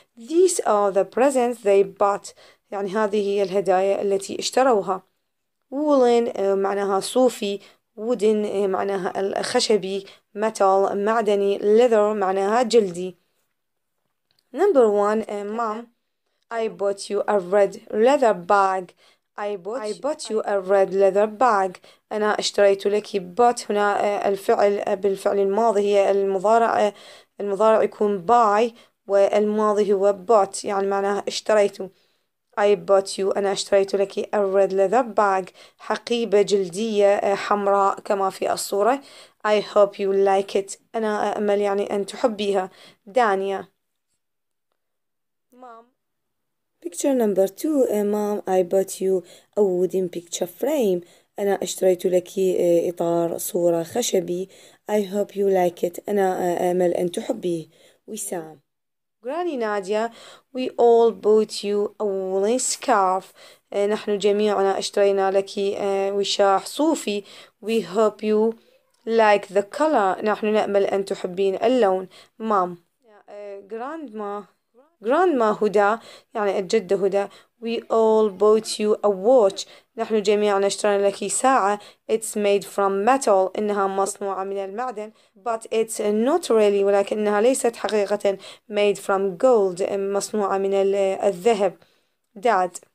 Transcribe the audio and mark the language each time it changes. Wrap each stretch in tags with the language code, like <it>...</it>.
<en>These are the presents they bought.</en> <ar>يعني هذه هي الهدايا التي اشتروها. Woolen معناها صوفي. Wooden معناها الخشبي. Metal معدني. Leather معناها جلدي.</ar> <en>Number one, mom. I bought you a red leather bag. I bought you a red leather bag.</en> <ar>أنا اشتريت لك. Bought هنا الفعل بالفعل الماضي هي المضارع. المضارع يكون buy والماضي هو bought يعني معناها اشتريت.</ar> <en>I bought you</en> <ar>أنا اشتريت لك</ar> <en>a red leather bag.</en> <ar>حقيبة جلدية حمراء كما في الصورة.</ar> <en>I hope you like it.</en> <ar>أنا أمل يعني أن تحبيها. دانيا.</ar> <en>Picture number two, Mom, I bought you a wooden picture frame.</en> <ar>أنا اشتريت لك إطار صورة خشبي.</ar> <en>I hope you like it.</en> <ar>أنا أمل أن تحبيه.</ar> <en>وسام. Granny Nadia, we all bought you a woolen scarf.</en> <ar>نحن جميعنا اشترينا لك وشاح صوفي.</ar> <en>We hope you like the color.</en> <ar>نحن نأمل أن تحبين اللون. Mom. Grandma. Grandma هدى يعني الجدة هدى.</ar> <en>We all bought you a watch.</en> <ar>نحن جميعنا اشترينا لك ساعة.</ar> <en>It's made from metal.</en> <ar>إنها مصنوعة من المعدن.</ar> <en>But it's not really.</en> <ar>ولكنها ليست حقيقة.</ar> <en>Made from gold.</en> <ar>مصنوعة من الذهب. Dad.</ar>